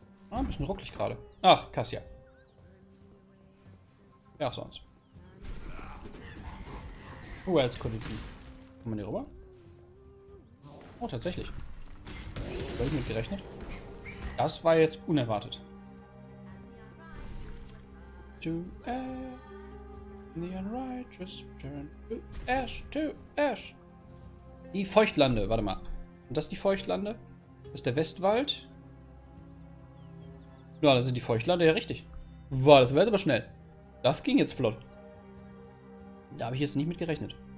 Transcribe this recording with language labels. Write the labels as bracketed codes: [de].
[de] Ah, ein bisschen ruckelig gerade. Ach, Cassia. Ja, sonst. [en] Who else could it be? [de] Kann man hier rüber? Oh, tatsächlich. Habe ich nicht gerechnet. Das war jetzt unerwartet. [en] To the unrighteous turn to ash, to ash. [de] Die Feuchtlande, warte mal. Und das ist die Feuchtlande? Das ist der Westwald. Ja, das sind die Feuchtlande, ja richtig. Boah, das wird aber schnell. Das ging jetzt flott. Da habe ich jetzt nicht mit gerechnet.